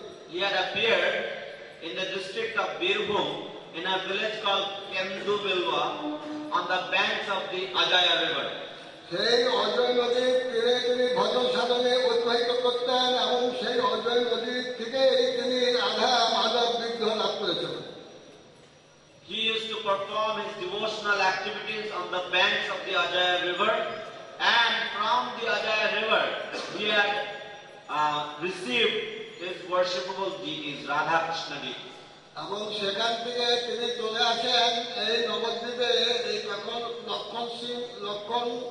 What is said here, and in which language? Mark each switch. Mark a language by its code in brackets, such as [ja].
[en] He had appeared in the district of Birbhum in a village called Kendu Bilwa on the banks of the Ajaya River. [bn] সেই অজয় নদীর তীরে তিনি ভজন সাধনে উৎসাহিত করতেন এবং সেই অজয় নদীর থেকে তিনি রাধা মাধব বিগ্রহ লাভ করেছিলেন। [en] He used to perform his devotional activities on the banks of the Ajaya River, and from the Ajaya River he had received his worshipable deities, Radha Krishna deities. [bn] এবং সেখান থেকে তিনি চলে আসেন এই নবদ্বীপে এই লক্ষণ সিং লক্ষণ